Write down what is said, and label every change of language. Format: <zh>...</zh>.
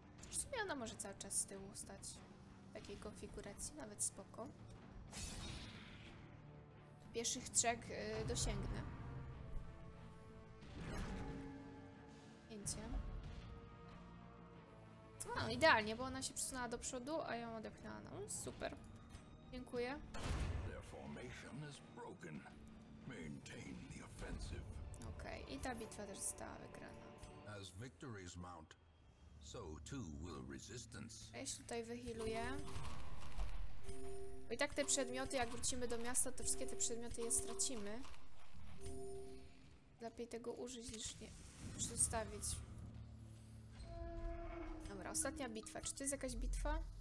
<pl>W sumie ona może cały czas z tyłu stać w takiej konfiguracji, nawet spoko. Pierwszych trzech dosięgnę. Pięcie. A, no idealnie, bo ona się przesunęła do przodu, a ją odepchnęła. No, super. Dziękuję.</pl> <en>Their formation is broken. Maintain the offensive.</en> <pl>Okej, okay. I ta bitwa też została wygrana.</pl> <en>As victories mount, so too will resistance.</en> <pl>Ja się tutaj wyhiluję. I tak te przedmioty, jak wrócimy do miasta, to wszystkie te przedmioty je stracimy. Lepiej tego użyć niż nie. Przedstawić. Dobra, ostatnia bitwa. Czy to jest jakaś bitwa?</pl>